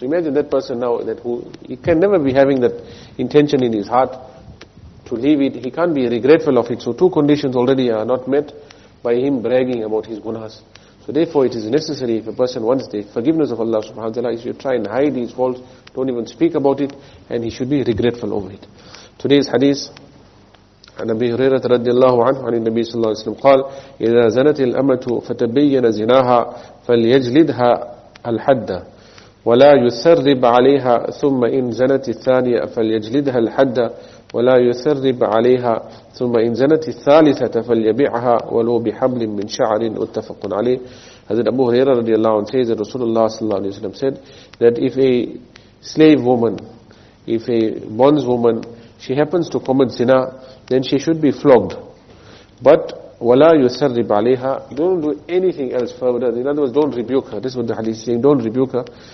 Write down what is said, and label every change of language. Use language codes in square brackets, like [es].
[en] So imagine that person now, that who he can never be having that intention in his heart to leave it. He can't be regretful of it. So two conditions already are not met by him bragging about his gunas. So therefore it is necessary, if a person wants the forgiveness of Allah subhanahu wa ta'ala, he should try and hide his faults, don't even speak about it, and he should be regretful over it. Today's hadith, [ar] عن أبي هريرة رضي الله عنه عن النبي صلى الله عليه وسلم قال إذا زنت الأمة فتبين زناها فليجلدها الحد ولا يثرب عليها ثم إن زنت الثانية فليجلدها الحد ولا يثرب عليها ثم إن زنت الثالثة فليبيعها ولو بحبل من شعر. اتفق عليه. [en] حضرت أبو هريرة رضي الله عنه says that رسول الله صلى الله عليه وسلم said that if a slave woman, if a bondswoman, she happens to commit zina, then she should be flogged. But wala yusarrib alayha, don't do anything else further. In other words, don't rebuke her. This is what the hadith is saying. Don't rebuke her.